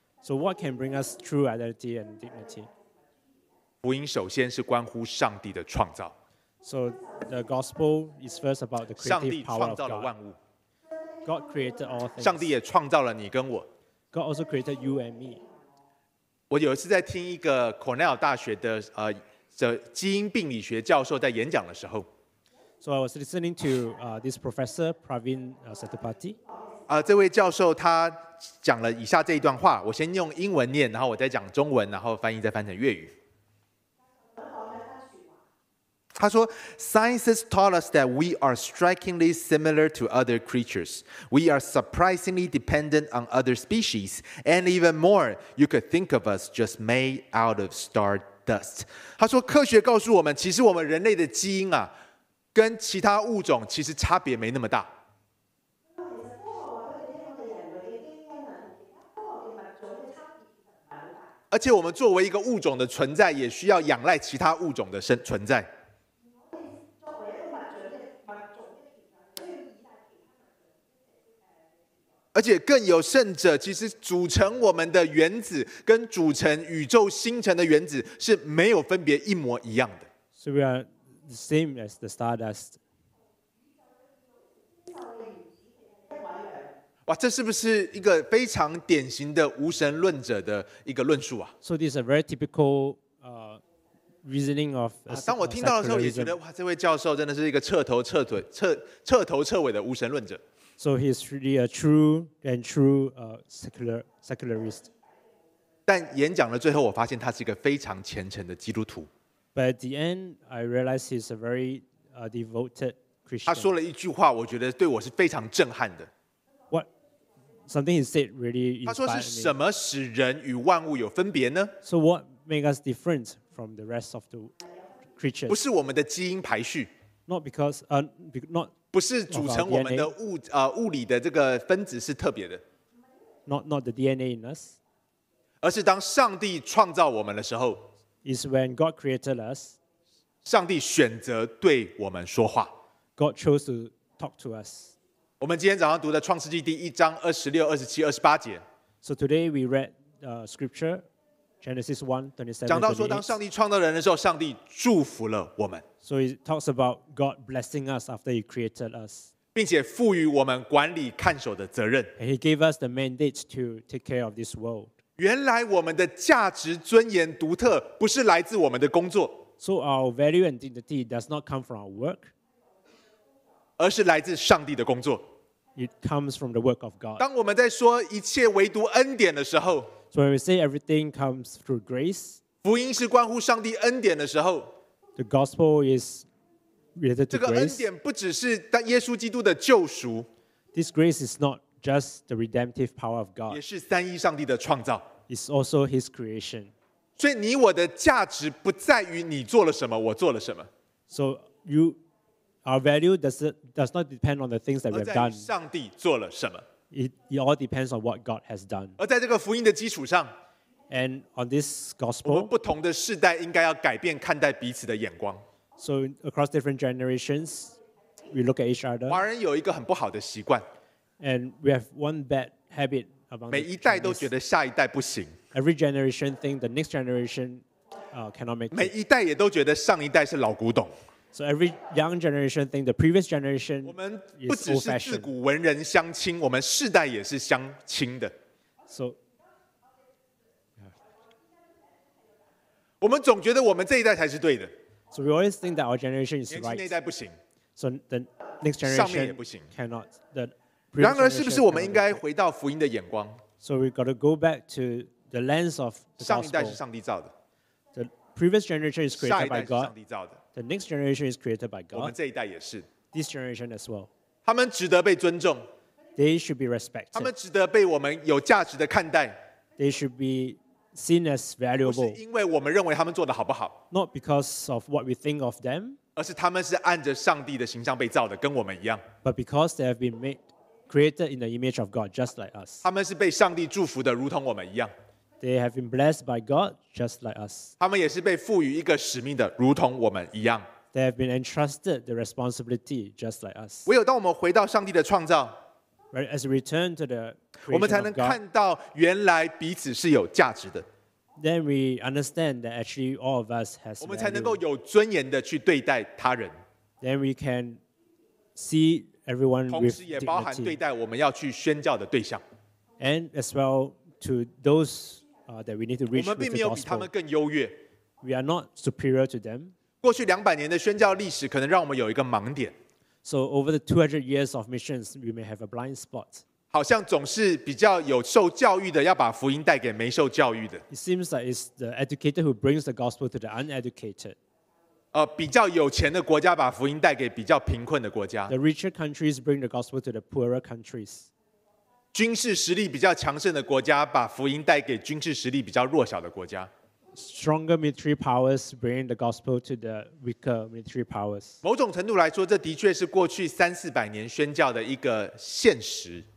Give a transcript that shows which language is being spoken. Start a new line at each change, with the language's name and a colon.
English: ？So what can bring us true identity and dignity?
Chinese: 福音首先是关乎上帝的创造。
English: So the gospel is first about the creative power of God.
Chinese: 上帝创造了万物。
English: God created all things.
Chinese: 上帝也创造了你跟我。
English: God also created you and me.
Chinese: 我有一次在听一个 Cornell 大学的基因病理学教授在演讲的时候。
English: So I was listening to this professor Pravin Satapathy.
Chinese: 这位教授他讲了以下这一段话，我先用英文念，然后我再讲中文，然后翻译再翻成粤语。他说
English: Science has taught us that we are strikingly similar to other creatures. We are surprisingly dependent on other species. And even more, you could think of us just made out of stardust.
Chinese: 他说科学告诉我们其实我们人类的基因啊跟其他物种其实差别没那么大。而且我们作为一个物种的存在也需要仰赖其他物种的存在。而且更有甚者，其实组成我们的原子跟组成宇宙星辰的原子是没有分别，一模一样的。
English: So we are the same as the stardust.
Chinese: 哇，这是不是一个非常典型的无神论者的一个论述啊
English: ？So this is a very typical reasoning of.
Chinese: 当我听到的时候，也觉得哇，这位教授真的是一个彻头彻腿、彻头彻尾的无神论者。
English: So he's really a true and true secularist.
Chinese: 但演讲的最后，我发现他是一个非常虔诚的基督徒。
English: But at the end, I realized he's a very devoted Christian.
Chinese: 他说了一句话，我觉得对我是非常震撼的。
English: What? Something he said really inspired me.
Chinese: 他说是什么使人与万物有分别呢
English: ？So what makes us different from the rest of the creatures?
Chinese: 不是我们的基因排序。
English: Not because, not.
Chinese: 不是组成我们的 物理的这个分子是特别的
English: not the DNA in us
Chinese: 而是当上帝创造我们的时候
English: is when God created us
Chinese: 上帝选择对我们说话
English: God chose to talk to us
Chinese: 我们今天早上读的创世纪第一章二十六、二十七、二十八节
English: So today we read scripture Genesis 1:27-28
Chinese: 讲到说当上帝创造人的时候上帝祝福了我们
English: So it talks about God blessing us after he created us
Chinese: 并且赋予我们管理看守的责任
English: And he gave us the mandate to take care of this world
Chinese: 原来我们的价值尊严独特不是来自我们的工作
English: So our value and dignity does not come from our work
Chinese: 而是来自上帝的工作
English: It comes from the work of God
Chinese: 当我们在说一切唯独恩典的时候
English: So when we say everything comes through grace,
Chinese: 福音是关乎上帝恩典的时候
English: the gospel is related to grace.
Chinese: 这个恩典不只是耶稣基督的救赎
English: This grace is not just the redemptive power of God.
Chinese: 也是三一上帝的创造
English: It's also His creation.
Chinese: 所以你我的价值不在于你做了什么，我做了什么
English: So you, our value does not depend on the things that we have done.
Chinese: 而在于上帝做了什么。
English: It all depends on what God has done.
Chinese: 而在这个福音的基础上
English: and on this gospel,
Chinese: 我们不同的世代应该要改变看待彼此的眼光。
English: So across different generations, we look at each other.
Chinese: 华人有一个很不好的习惯
English: and we have one bad habit among the Chinese.
Chinese: 每一代都觉得下一代不行。
English: Every generation thinks the next generation cannot make it.
Chinese: 每一代也都觉得上一代是老古董。
English: So every young generation thinks the previous generation is old fashioned.
Chinese: 我们不只是自古文人相亲，我们世代也是相亲的。
English: So,
Chinese: 我们总觉得我们这一代才是对的。
English: So we always think that our generation is right.
Chinese: 年轻那一代不行。
English: So the next generation
Chinese: 上面也不行。
English: Cannot. Previous generation
Chinese: 是不是我们应该回到福音的眼光？
English: So we got to go back to the lens of the gospel.
Chinese: 上一代是上帝造的。
English: The previous generation is created by God.
Chinese: 下一代是上帝造的。
English: The next generation is created by God.
Chinese: 我们这一代也是。
English: This generation as well.
Chinese: 他们值得被尊重。
English: They should be respected.
Chinese: 他们值得被我们有价值的看待。
English: They should be seen as valuable.
Chinese: 不是因为我们认为他们做的好不好。
English: Not because of what we think of them.
Chinese: 而是他们是按着上帝的形象被造的，跟我们一样。
English: But because they have been created in the image of God, just like us.
Chinese: 他们是被上帝祝福的，如同我们一样。
English: They have been blessed by God, just like us.
Chinese: 他们也是被赋予一个使命的，如同我们一样。
English: They have been entrusted the responsibility, just like us.
Chinese: 唯有当我们回到上帝的创造。
English: Right, as we return to the creation of God,
Chinese: 我们才能看到原来彼此是有价值的。
English: Then we understand that actually all of us has value.
Chinese: 我们才能够有尊严的去对待他人。
English: Then we can see everyone with dignity.
Chinese: 同时也包含对待我们要去宣教的对象。
English: And as well to those that we need to reach.
Chinese: 我们并没有比他们更优越。
English: We are not superior to them.
Chinese: 过去两百年的宣教历史可能让我们有一个盲点。
English: So over the 200 years of missions, we may have a blind spot.
Chinese: 好像总是比较有受教育的要把福音带给没受教育的。
English: It seems that it's the educated who brings the gospel to the uneducated.
Chinese: 比较有钱的国家把福音带给比较贫困的国家。
English: The richer countries bring the gospel to the poorer countries.
Chinese: 军事实力比较强盛的国家把福音带给军事实力比较弱小的国家。
English: Stronger military powers bring the gospel to the weaker military powers.
Chinese: 某种程度来说，这的确是过去三四百年宣教的一个现实。